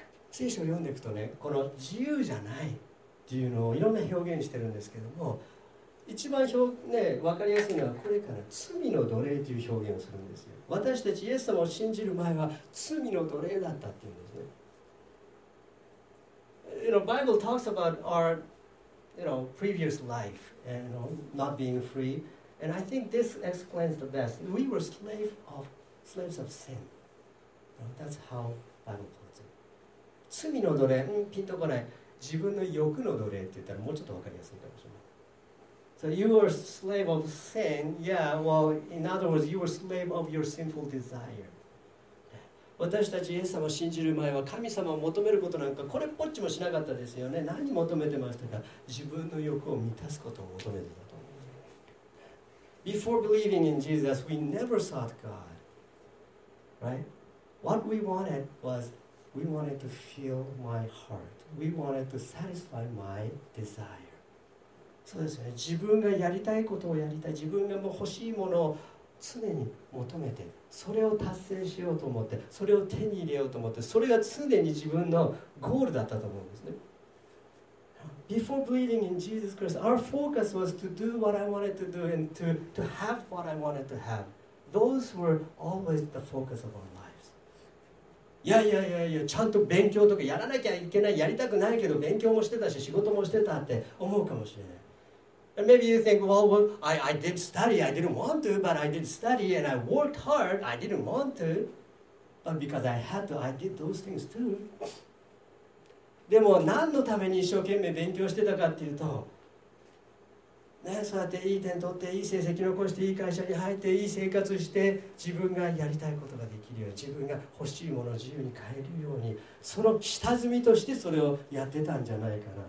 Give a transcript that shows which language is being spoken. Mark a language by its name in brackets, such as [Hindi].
[Japanese] 聖書を読んでいくとね、この自由じゃないっていうのをいろんな表現してるんですけども、一番表、ね、分かりやすいのはこれかな。罪の奴隷という表現をするんですよ。私たちイエス様を信じる前は罪の奴隷だったっていうんですね。 [English] You know, Bible talks about our, you know, previous life and you know, not being free. And I think this explains the best. We were slaves of sin. You know, that's how Bible puts it. [Japanese] 罪の奴隷、ピンとこない。自分の欲の奴隷って言ったらもうちょっと分かりやすいかもしれない。 [English] So you were a slave of sin, yeah, well, in other words, you were a slave of your sinful desire. [Japanese] 私たちイエス様を信じる前は神様を求めることなんかこれっぽっちもしなかったですよね。何求めてましたか？自分の欲を満たすことを求めてたと思います。 [English] Before believing in Jesus, we never sought God, right? What we wanted was, we wanted to fill my heart. We wanted to satisfy my desire. [Japanese] そうですね、自分がやりたいことをやりたい、自分がもう欲しいものを常に求めて、それを達成しようと思って、それを手に入れようと思って、それが常に自分のゴールだったと思うんですね。 [English] Before believing in Jesus Christ, our focus was to do what I wanted to do and to have what I wanted to have. Those were always the focus of our lives. [Japanese] いや、ちゃんと勉強とかやらなきゃいけない、やりたくないけど勉強もしてたし仕事もしてたって思うかもしれない。 [English] And maybe you think, well, I did study. I didn't want to, but I did study and I worked hard. I didn't want to, but because I had to, I did those things too. [Japanese] でも何のために一生懸命勉強してたかっていうと、ね、そうやっていい点取って、いい成績残して、いい会社に入って、いい生活して、自分がやりたいことができるように、自分が欲しいものを自由に変えるように、その下積みとしてそれをやってたんじゃないかな。